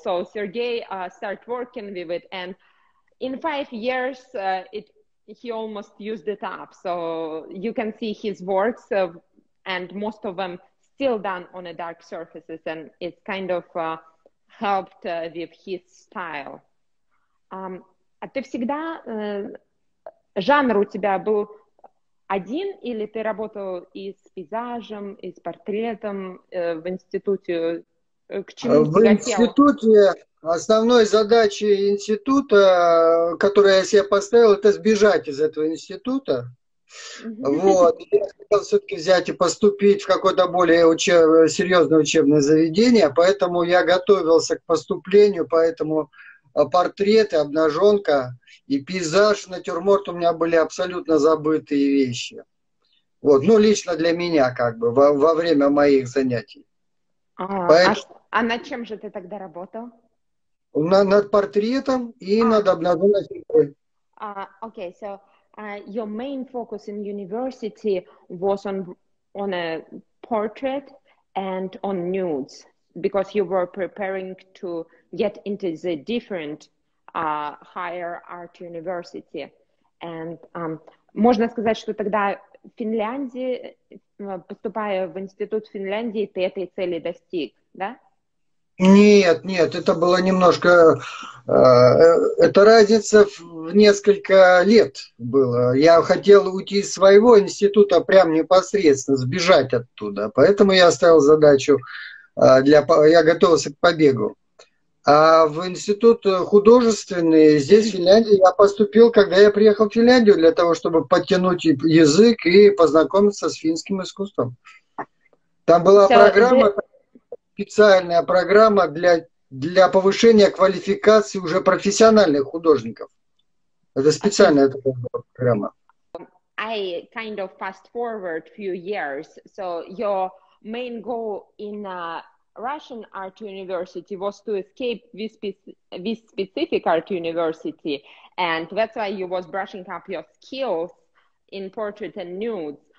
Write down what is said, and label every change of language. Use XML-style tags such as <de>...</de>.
<en>So Sergei started working with it, and in 5 years it he almost used it up. So you can see his works, and most of them still done on a dark surfaces, and it's kind of helped with his style.</en> <ru>А ты всегда жанр у тебя был один, или ты работал и с пейзажем, и с портретом в институте? К чему в институте основной задачей института, которую я себе поставил, это сбежать из этого института. Вот. Я хотел все-таки взять и поступить в какое-то более серьезное учебное заведение, поэтому я готовился к поступлению, поэтому портреты, обнаженка и пейзаж, натюрморт у меня были абсолютно забытые вещи. Вот. Ну, лично для меня, как бы, во время моих занятий. А над чем же ты тогда работал? Над портретом и над обнаженной фигурой.</ru> <en>Okay, so your main focus in university was on a portrait and on nudes, because you were preparing to get into the different higher art university.</en> <ru>And можно сказать, что тогда в Финляндии, поступая в институт Финляндии, ты этой цели достиг, да? Нет, нет, это было немножко... это разница в несколько лет была. Я хотел уйти из своего института прям непосредственно, сбежать оттуда. Поэтому я ставил задачу, я готовился к побегу. А в институт художественный здесь, в Финляндии, я поступил, когда я приехал в Финляндию, для того, чтобы подтянуть язык и познакомиться с финским искусством. Там была программа, специальная программа для повышения квалификации уже профессиональных художников. Это специальная такая программа.</ru> <en>I kind of fast forward few years. So your main goal in Russian art university was to escape this specific art university, and that's why you was brushing up your skills in portrait and nudes.</en>